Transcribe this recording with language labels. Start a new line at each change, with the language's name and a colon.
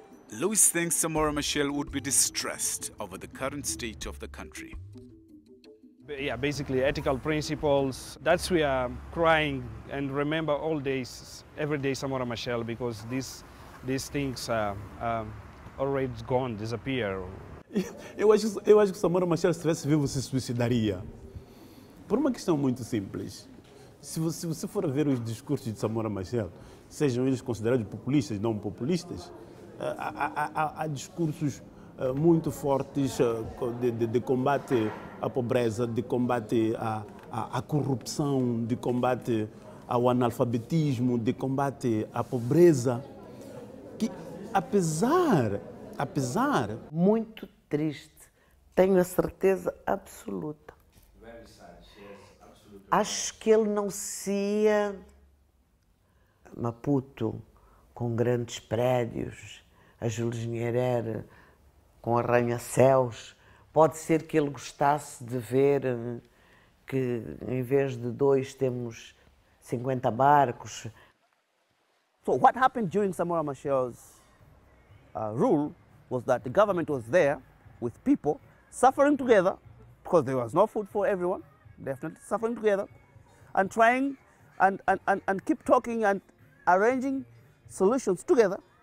English: Luis thinks Samora Machel would be distressed over the current state of the country. Yeah, basically ethical principles. That's why I'm crying and remember all days, every day Samora Machel, because these things are already gone, disappear.
Portuguese: Eu acho que Samora Machel, se estivesse vivo, se suicidaria. Por uma questão muito simples. Se você for ver os discursos de Samora Machel, sejam eles considerados populistas, não populistas, há discursos muito fortes de combate à pobreza, de combate à corrupção, de combate ao analfabetismo, de combate à pobreza, que apesar... Muito triste, tenho a certeza absoluta. Acho que ele não se ia Maputo com grandes prédios, a Jules Nyerer com arranha-céus. Pode ser que ele gostasse de ver que, em vez de dois, temos 50 barcos.
English: So what happened during Samora Machel's rule was that the government was there with people suffering together, because there was no food for everyone, definitely suffering together, and trying and keep talking and arranging solutions together.